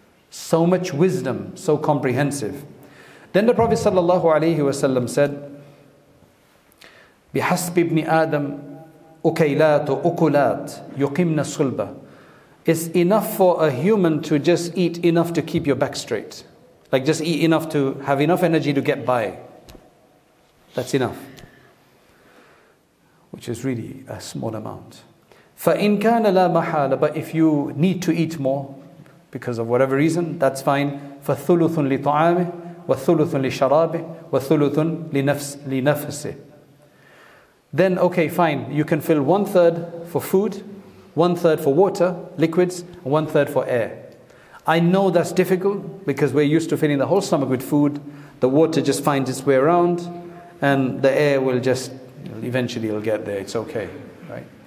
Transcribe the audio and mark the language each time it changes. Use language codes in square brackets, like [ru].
[en] So much wisdom, so comprehensive. Then the Prophet sallallahu alayhi wa sallam said, [ar] بِحَسْبِ ابْنِ آدَمْ أُكَيْلَاتُ أُكُلَاتُ يُقِمْنَ صُلْبَ [en] It's enough for a human to just eat enough to keep your back straight. Like just eat enough to have enough energy to get by. That's enough. Which is really a small amount. [ar] فَإِنْ كَانَ لَا مَحَالَ [en] But if you need to eat more, because of whatever reason, that's fine. [ar] فَثُلُثٌ لِطَعَامِهِ وَثُلُثٌ لِشَرَابِهِ وَثُلُثٌ لِنَفْسِهِ [en] Then, okay, fine. You can fill one third for food, one third for water, liquids, and one third for air. I know that's difficult because we're used to filling the whole stomach with food. The water just finds its way around and the air will just, eventually it'll get there. It's okay, right?